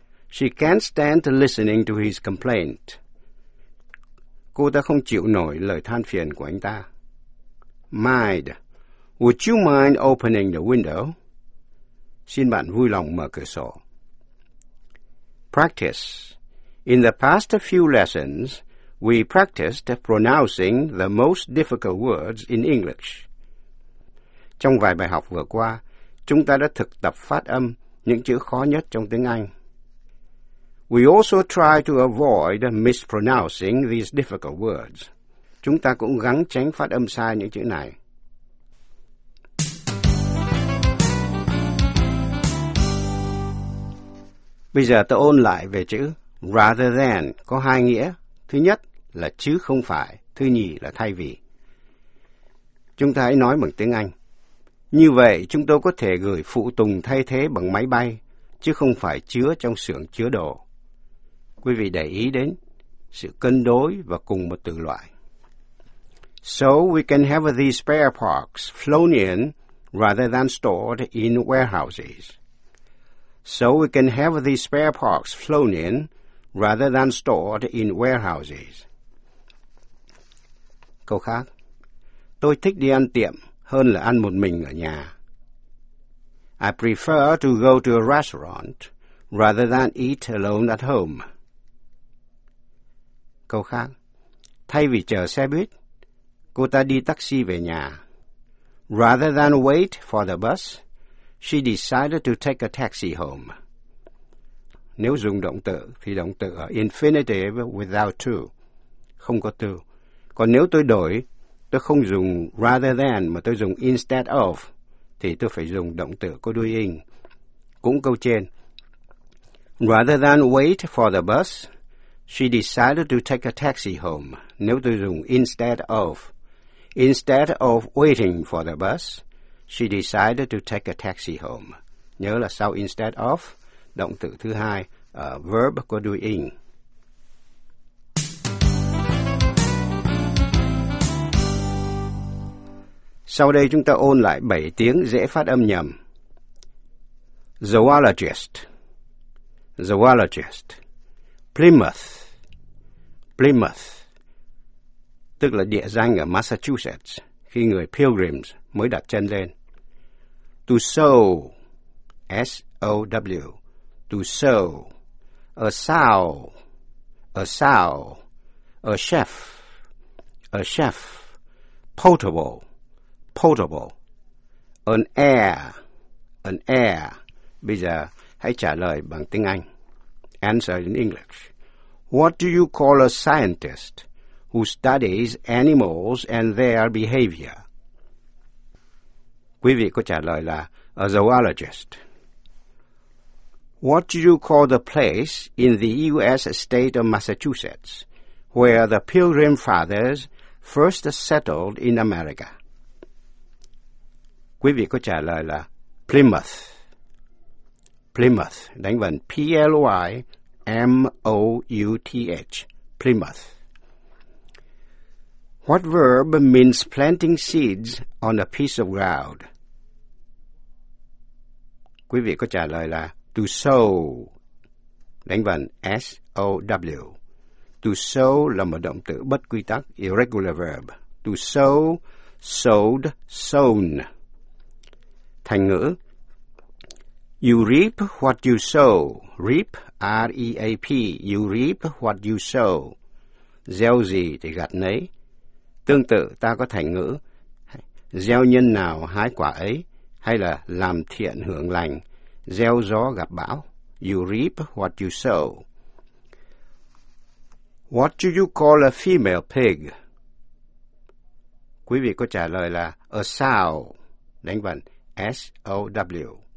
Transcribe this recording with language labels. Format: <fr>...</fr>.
<en>She can't stand listening to his complaint.</en> <vi>Cô ta không chịu nổi lời than phiền của anh ta. Mind.</vi> <en>Would you mind opening the window?</en> <vi>Xin bạn vui lòng mở cửa sổ.</vi> <en>Practice. In the past few lessons, we practiced pronouncing the most difficult words in English.</en> <vi>Trong vài bài học vừa qua, chúng ta đã thực tập phát âm những chữ khó nhất trong tiếng Anh.</vi> <en>We also try to avoid mispronouncing these difficult words.</en> <vi>Chúng ta cũng gắng tránh phát âm sai những chữ này. Bây giờ tôi ôn lại về chữ. Rather than có hai nghĩa. Thứ nhất là chứ không phải. Thứ nhì là thay vì. Chúng ta hãy nói bằng tiếng Anh. Như vậy chúng tôi có thể gửi phụ tùng thay thế bằng máy bay, chứ không phải chứa trong xưởng chứa đồ. Quý vị để ý đến sự cân đối và cùng một từ loại.</vi> <en>So we can have these spare parts flown in rather than stored in warehouses. So we can have these spare parts flown in rather than stored in warehouses.</en> <vi>Câu khác. Tôi thích đi ăn tiệm hơn là ăn một mình ở nhà.</vi> <en>I prefer to go to a restaurant rather than eat alone at home.</en> <vi>Câu khác. Thay vì chờ xe buýt, cô ta đi taxi về nhà.</vi> <en>Rather than wait for the bus, she decided to take a taxi home.</en> <vi>Nếu dùng động từ thì động từ ở infinitive without to, không có to. Còn nếu tôi đổi, tôi không dùng rather than mà tôi dùng instead of, thì tôi phải dùng động từ có đuôi ing. Cũng câu trên.</vi> <en>Rather than wait for the bus, she decided to take a taxi home, Instead of waiting for the bus, she decided to take a taxi home.</en> <vi>Nhớ là sau instead of, động từ thứ hai, verb có đuôi in. Sau đây chúng ta ôn lại 7 tiếng dễ phát âm nhầm. Zoologist, zoologist. Plymouth, Plymouth. Tức là địa danh ở Massachusetts, khi người Pilgrims mới đặt chân lên.</vi> <en>To sow, S-O-W, to sow. A sow, a sow. A chef. Potable, potable. An heir.</en> <vi>Bây giờ, hãy trả lời bằng tiếng Anh.</vi> <en>Answer in English. What do you call a scientist who studies animals and their behavior?</en> <vi>Quý vị có trả lời là a zoologist.</vi> <en>What do you call the place in the U.S. state of Massachusetts where the Pilgrim Fathers first settled in America?</en> <vi>Quý vị có trả lời là Plymouth. Plymouth, đánh vần P-L-Y-M-O-U-T-H, Plymouth.</vi> <en>What verb means planting seeds on a piece of ground?</en> <vi>Quý vị có trả lời là to sow, đánh vần S-O-W. To sow là một động từ bất quy tắc, irregular verb.</vi> <en>To sow, sowed, sown.</en> <vi>Thành ngữ,</vi> <en>you reap what you sow. Reap, R-E-A-P, you reap what you sow.</en> <vi>Gieo gì thì gặt nấy. Tương tự, ta có thành ngữ gieo nhân nào hái quả ấy, hay là làm thiện hưởng lành, gieo gió gặp bão.</vi> <en>You reap what you sow. What do you call a female pig?</en> <vi>Quý vị có trả lời là a sow, đánh vần S-O-W.</vi>